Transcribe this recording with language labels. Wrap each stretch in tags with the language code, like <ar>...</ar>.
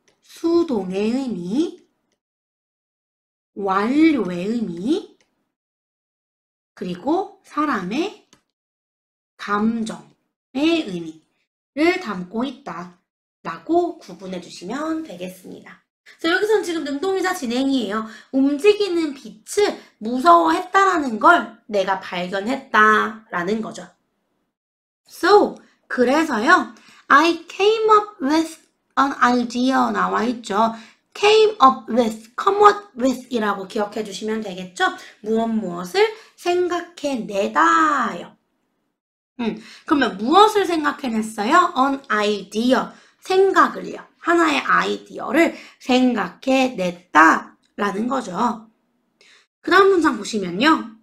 <ko>수동의 의미, 완료의 의미, 그리고 사람의 감정의 의미를 담고 있다라고 구분해 주시면 되겠습니다. 그래서 여기서는 지금 능동이자 진행이에요. 움직이는 빛을 무서워했다라는 걸 내가 발견했다라는 거죠.</ko> <en>So,</en> <ko>그래서요,</ko> <en>I came up with an idea</en> <ko>나와 있죠. came up with, come up with 이라고 기억해 주시면 되겠죠? 무엇무엇을 생각해 내다요. 그러면 무엇을 생각해 냈어요?</ko> <en>an idea.</en> <ko>생각을요. 하나의 아이디어를 생각해 냈다. 라는 거죠. 그 다음 문장 보시면요.</ko>